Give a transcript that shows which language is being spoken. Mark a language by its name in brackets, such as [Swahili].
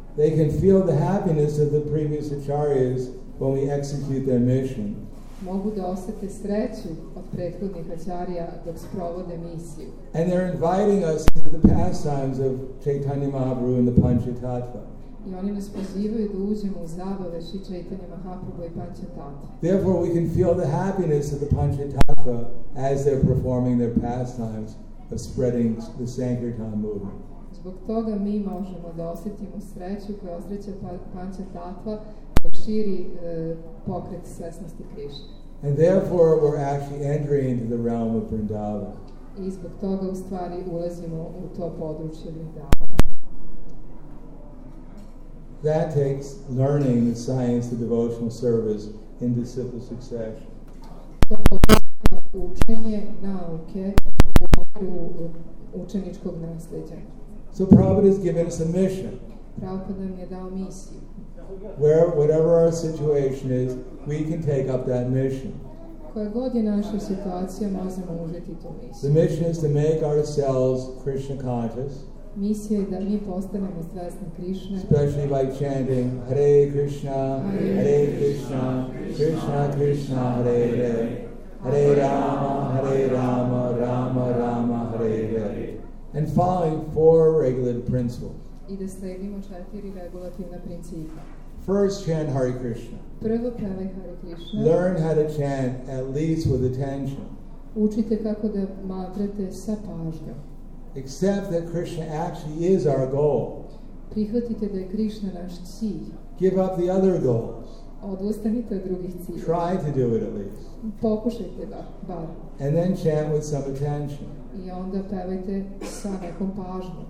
[English] They can feel the happiness of the previous acharyas when we execute their mission. [Serbian] Mogu da osete sreću od prethodnih acharya dok sprovode misiju. [English] And they're inviting us into the pastimes of Chaitanya Mahaprabhu and the Panchatattva. [Serbian] I oni nas pozivaju da uđemo u zabave Sri Chaitanya Mahaprabhu i Panchatattva. [English] Therefore we can feel the happiness of the Panchatattva as they're performing their pastimes of spreading the Sankirtan movement. [Serbian] Zbog toga mi možemo da osetimo sreću koja osreća Panchatattva širi pokret svesnosti Krišne. [English] And therefore we're actually entering into the realm of Vrindavan. [Serbian] I zbog toga u stvari ulazimo u to područje Vrindavan. [English] That takes learning the science of devotional service in disciple succession. [Serbian] To podrazumeva učenje nauke u okviru učeničkog nasleđa. [English] So Prabhupada has given us a mission. [Serbian] Prabhupada nam je dao misiju. [English] Where whatever our situation is, we can take up that mission. [Serbian] Koja god je naša situacija, možemo uzeti tu misiju. [English] The mission is to make ourselves Krishna conscious. [Serbian] Misija je da mi postanemo svesni Krishna. [English] Especially by chanting Hare Krishna, Hare Krishna, Krishna Krishna, Hare Hare, Hare Rama, Hare Rama, Rama Rama, Hare Hare. And following four regulative principles. [Serbian] I da sledimo četiri regulativna principa. [English] First, chant Hare Krishna. [Serbian] Prvo pevaj Hare Krishna. [English] Learn how to chant at least with attention. [Serbian] Učite kako da mantrate sa pažnjom. [English] Accept that Krishna actually is our goal. [Serbian] Prihvatite da je Krishna naš cilj. [English] Give up the other goals. [Serbian] odustanite od drugih ciljeva. [English] Try to do it at least. [Serbian] Pokušajte da, bar. [English] And then chant with some attention. [Serbian] I onda pevajte sa nekom pažnjom.